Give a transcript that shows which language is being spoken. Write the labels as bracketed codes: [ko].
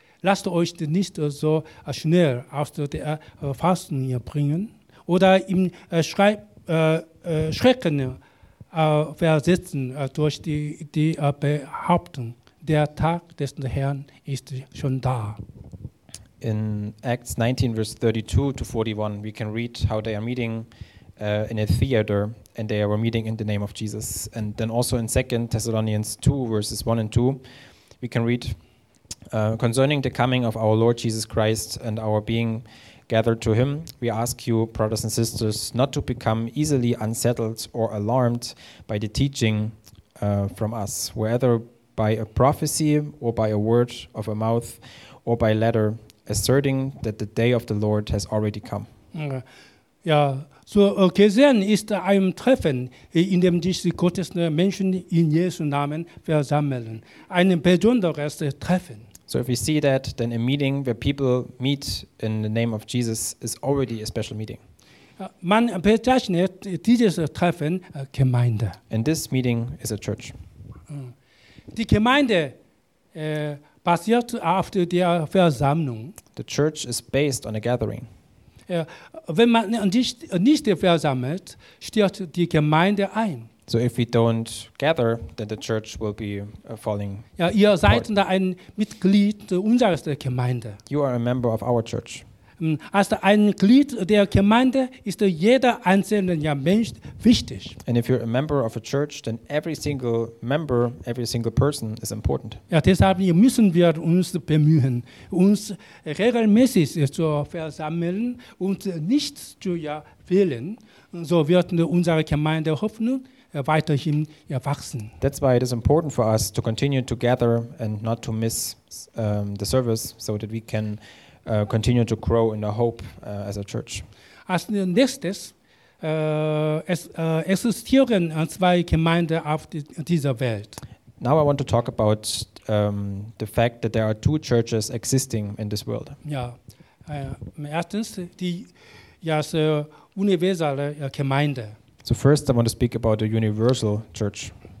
[de] Lasst euch nicht so schnell aus der Fassung bringen oder im Schrecken versetzen durch die Behauptung, der Tag des Herrn ist schon da. [en] In Acts 19, verse 32 to 41, we can read how they are meeting in a theater and they were meeting in the name of Jesus. And then also in 2 Thessalonians 2, verses 1 and 2, we can read, concerning the coming of our Lord Jesus Christ and our being gathered to him, we ask you, brothers and sisters, not to become easily unsettled or alarmed by the teaching from us, whether by a prophecy or by a word of a mouth or by letter, asserting that the day of the Lord has already come. [de] Ja, so gesehen ist ein Treffen, in dem sich die Gottes Menschen in Jesu Namen versammeln. Ein besonderes Treffen. [en] So if we see that, then a meeting where people meet in the name of Jesus is already a special meeting. [de] Man bezeichnet dieses Treffen Gemeinde. [en] And this meeting is a church. [de] Die Gemeinde basiert auf der Versammlung. [en] The church is based on a gathering. [de] Wenn man nicht versammelt, stirbt die Gemeinde ein. [en] So if we don't gather, then the church will be falling. [de] Ja, ihr seid apart. Ein Mitglied unserer Gemeinde. [en] You are a member of our church. [de] Als ein Glied der Gemeinde ist jeder einzelne Mensch wichtig. [en] And if you're a member of a church, then every single member, every single person is important. [de] Ja, deshalb müssen wir uns bemühen, uns regelmäßig zu versammeln und nicht zu fehlen. So wird unsere Gemeinde Hoffnung weiterhin wachsen. [en] That's why it is important for us to continue to gather and not to miss the service, so that we can continue to grow in the hope as a church. [de] Als nächstes, es existieren zwei Gemeinden auf dieser Welt. [en] Now I want to talk about the fact that there are two churches existing in this world. [de] Ja, erstens die universelle Gemeinde. [en] So first I want to speak about the universal church.